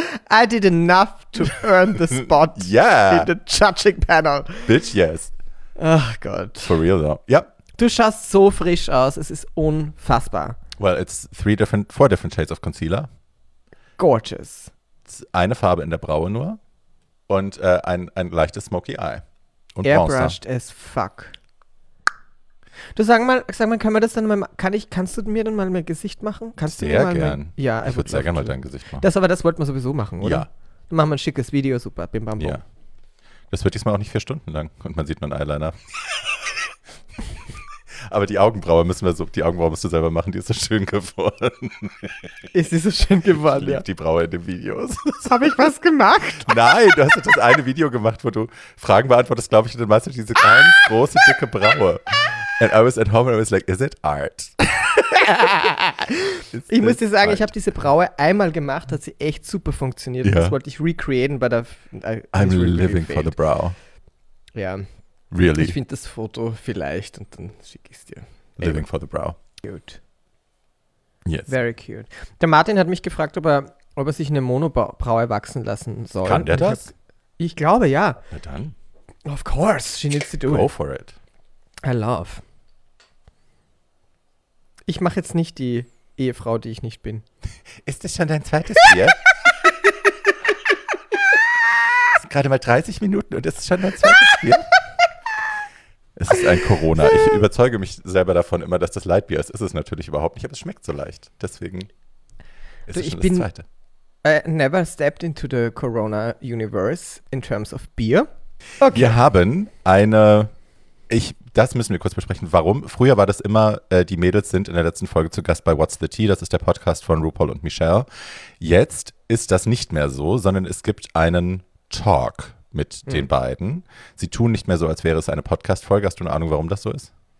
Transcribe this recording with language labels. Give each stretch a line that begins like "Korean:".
English: I did enough to earn the spot in the judging panel. Bitch, yes.
German: Ach Gott.
English: For real though. Yep.
German: Du schaust so frisch aus, es ist unfassbar.
English: Well, it's four different shades of concealer. Gorgeous.
German: Eine Farbe in der Braue nur und ein leichtes smoky eye. Und
English: airbrushed Bronzer. As fuck.
German: Du sag mal, können wir das dann mal, kannst du mir dann mal mein Gesicht machen? Kannst sehr du mir mal gern. Mein, ja, ich würde sehr gerne mal dein Gesicht machen. Aber das wollten wir sowieso machen, oder? Ja. Dann machen wir ein schickes Video, super, bim bam bum. Ja. Das wird diesmal auch nicht 4 Stunden lang und man sieht nur einen Eyeliner. Aber die Augenbraue musst du selber machen, die ist so schön geworden. Ist sie so schön geworden, ja. Die Braue in den Videos. Habe ich was gemacht? Nein, du hast das eine Video gemacht, wo du Fragen beantwortest, glaube ich, und dann machst du diese ganz große, dicke Braue.
English: And I was at home and I was like, is it art?
German: Ich muss dir sagen, art? Ich habe diese Braue einmal gemacht, hat sie echt super funktioniert. Yeah. Das wollte ich recreaten, but
English: I'm living for the brow.
German: Ja.
English: Really?
German: Ich finde das Foto vielleicht und dann schicke ich es dir.
English: Living for the brow. Cute. Yes. Very cute.
German: Der Martin hat mich gefragt, ob er sich eine Monobraue wachsen lassen soll. Kann der das? Ich glaube, ja. Na dann.
English: Of course, she needs to do it. Go for it. I love.
German: Ich mache jetzt nicht die Ehefrau, die ich nicht bin. Ist das schon dein zweites Bier? Es sind gerade mal 30 Minuten und ist das schon dein zweites Bier? Es ist ein Corona. Ich überzeuge mich selber davon immer, dass das Lightbier ist. Ist es natürlich überhaupt nicht, aber es schmeckt so leicht. Deswegen ist es schon das zweite.
English: I never stepped into the Corona universe in terms of beer.
German: Okay. Wir haben eine... Das müssen wir kurz besprechen. Warum? Früher war das immer, die Mädels sind in der letzten Folge zu Gast bei What's the Tea. Das ist der Podcast von RuPaul und Michelle. Jetzt ist das nicht mehr so, sondern es gibt einen Talk mit den beiden. Sie tun nicht mehr so, als wäre es eine Podcast-Folge. Hast du eine Ahnung, warum das so ist?